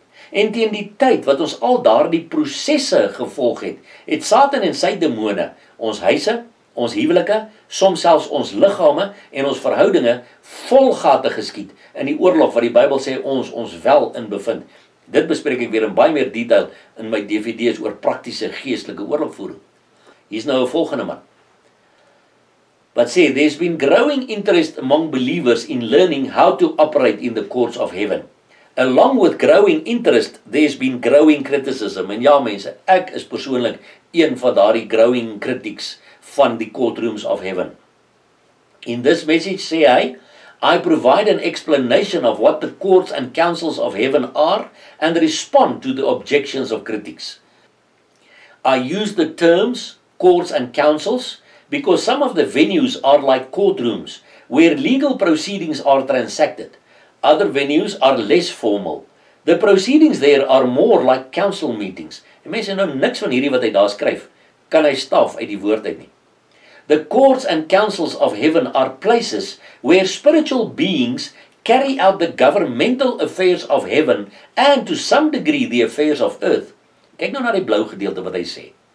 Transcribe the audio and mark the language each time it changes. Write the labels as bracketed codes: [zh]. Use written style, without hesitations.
[af] En teen die tyd wat ons al daardie prosesse gevolg het, het Satan en sy demone ons huise, ons huwelike, soms selfs ons liggame en ons verhoudinge vol gate geskiet in die oorlog wat die Bybel sê ons wel in bevind. Dit bespreek ek weer in baie meer detail in my DVD's oor praktiese geestelike oorlogvoering. Hier's nou 'n volgende man. [en] But see, there's been growing interest among believers in learning how to operate in the courts of heaven. Along with growing interest, there's been growing criticism. [af] En ja, mense, ek is persoonlik een van daardie [en] growing critics [af] van die [en] courtrooms of heaven. In this message, [af] sê hy, [en] I provide an explanation of what the courts and councils of heaven are and respond to the objections of critics. I use the terms courts and councils because some of the venues are like courtrooms where legal proceedings are transacted. Other venues are less formal. The proceedings there are more like council meetings. [af] En mense, nou niks van hierdie wat hy daar skryf, kan hy staaf uit die woord uit nie. [en] The courts and councils of heaven are places where spiritual beings carry out the governmental affairs of heaven and to some degree the affairs of earth. [af] Kyk nou na die blou gedeelte wat hy sê.